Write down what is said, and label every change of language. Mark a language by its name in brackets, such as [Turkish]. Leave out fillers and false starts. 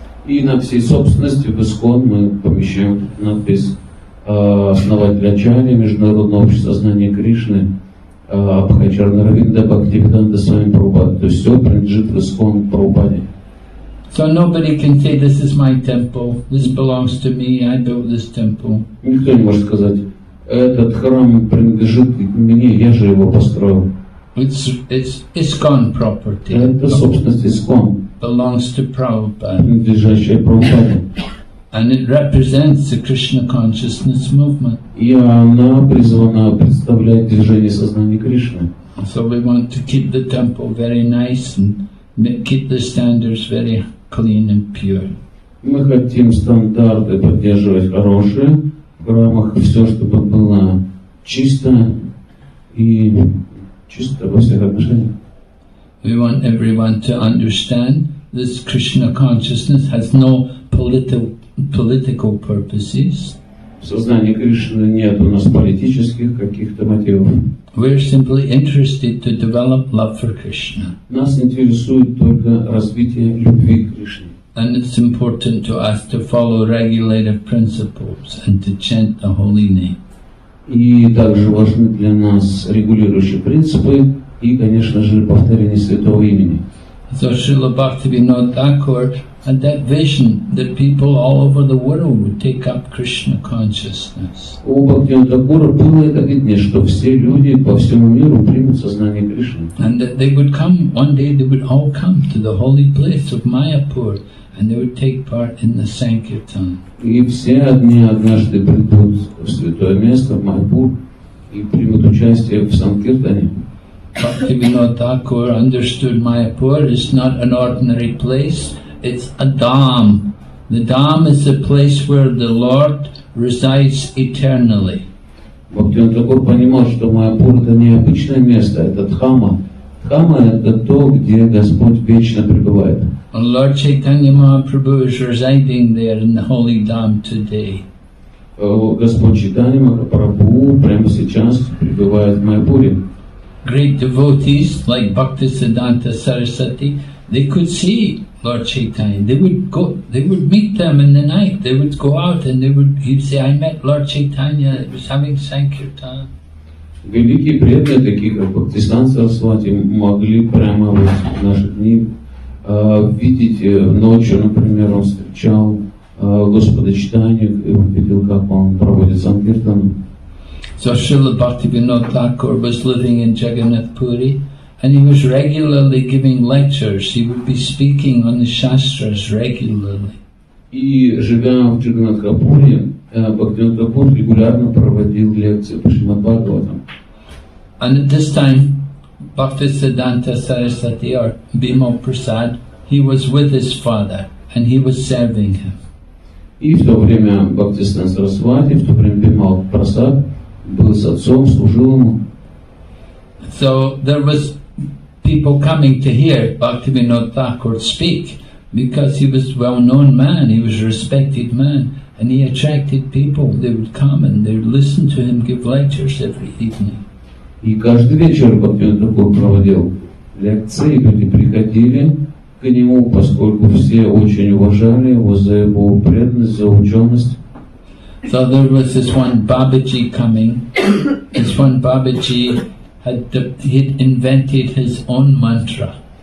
[Russian] И на всей собственности в ISKCON мы помещаем надпись основателя Ачарьи, Международного общества знания Кришны, Абхачарнаравинда Бхактивинода Свами Прабхупада. То есть все принадлежит в ISKCON Прабхупаде. [English] So nobody can say, this is my temple, this belongs to me, I built this temple. [Russian] Никто не может сказать, этот храм принадлежит мне, я же его построил. [English] It's ISKCON property. [Russian] Это собственность ISKCON. [English] Belongs to Prabhupada. [Russian] Принадлежащая Прабхупаде. [English] And it represents the Krishna consciousness movement. [Russian] И она призвана представлять движение сознания Кришны. [English] So we want to keep the temple very nice and keep the standards very clean and pure. [Russian] Мы хотим стандарты поддерживать хорошие в храмах, все, чтобы было чисто и чисто во всех отношениях. [English] We want everyone to understand this Krishna consciousness has no political purposes. [Russian] В сознании Кришны нет у нас политических каких-то мотивов. [English] We are simply interested to develop love for Krishna. [Russian] Нас интересует только развитие любви к Кришне. [English] And it's important to us to follow regulative principles and to chant the holy name. [Russian] И также важны для нас регулирующие принципы и, конечно же, повторение святого имени. [English] So Srila Bhaktivinoda Thakur had that vision that people all over the world would take up Krishna consciousness. [Russian] У Бхактивинода Такура было это видение, что все люди по всему миру примут сознание Кришны. [English] And that they would come, one day they would all come to the holy place of Mayapur and they would take part in the Sankirtan. [Russian] И все одни однажды придут в святое место, в Майяпур, и примут участие в Санкиртане. [English] Bhaktivinoda Thakur understood Mayapur is not an ordinary place, it's a dham. The dham is a place where the Lord resides eternally. [Russian] Bhaktivinoda Thakur понимал, что Майяпур это не обычное место, это дхама. Дхама это то, где Господь вечно пребывает. [English] And Lord Chaitanya Mahaprabhu is residing there in the holy dham today. [Russian] Господь Чайтанья Махапрабху прямо сейчас пребывает в Майяпуре. [English] Great devotees like Bhaktisiddhanta Sarasati, they could see Lord Chaitanya. They would meet them in the night. They would go out and he'd say, I met Lord Chaitanya, he was having Sankirtan. [Russian] Великие преданные, такие как Бхактисиддханта Сарасвати, могли прямо в наши дни видеть ночью, например, он встречал Господа Чайтанью и увидел, как он проводит Сангиртан. [English] So Srila Bhaktivinoda Thakur was living in Jagannath Puri and he was regularly giving lectures. He would be speaking on the Shastras regularly. [Russian] И живя в Джаганнатхапуре, Бхактивинода Такур регулярно проводил лекции по Шримад-Бхагаватам. [English] And at this time, Bhaktisiddhanta Sarasati or Bhima Prasad, he was with his father and he was serving him. [Russian] И в то время Бхактисиддханта Сарасвати, в то время Бхима Прасад, был с отцом, служил ему. [English] So there was, people coming to hear Bhaktivinod Thakur speak because he was a well-known man, he was a respected man, and he attracted people. They would come and they would listen to him give lectures every evening. [Russian] И каждый вечер Бхактивинод Такур проводил лекции, люди приходили к нему, поскольку все очень уважали его за его преданность, за ученость. [English] So there was this one Babaji coming. This one Babaji had he'd invented his own mantra.